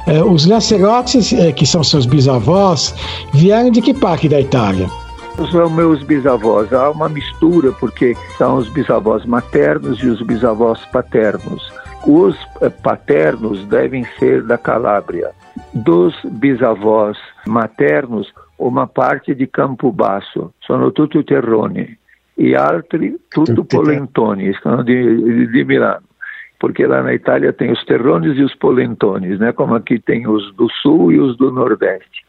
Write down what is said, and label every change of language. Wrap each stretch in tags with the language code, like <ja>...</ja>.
<pt>Os Lacerotes, que são seus bisavós, vieram de que parte da Itália? São meus bisavós. Há uma mistura, porque são os bisavós maternos e os bisavós paternos. Os paternos devem ser da Calábria. Dos bisavós maternos, uma parte de Campo Basso,</pt> <it>sono tutto Terrone, e altri tutto Polentoni, sono di Milano.</it> <pt>Porque lá na Itália tem os terrones e os polentones, né? Como aqui tem os do sul e os do nordeste.</pt>